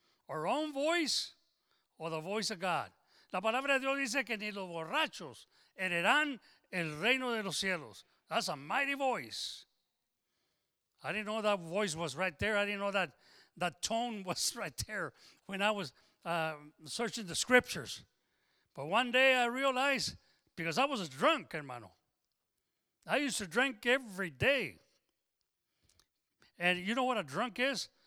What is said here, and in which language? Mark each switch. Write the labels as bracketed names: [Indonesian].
[English] Our own voice or the voice of God. [Spanish] La palabra de Dios dice que ni los borrachos heredarán el reino de los cielos. [English] That's a mighty voice. I didn't know that voice was right there. I didn't know that tone was right there when I was searching the scriptures. But one day I realized, because I was a drunk, hermano. I used to drink every day. And you know what a drunk is?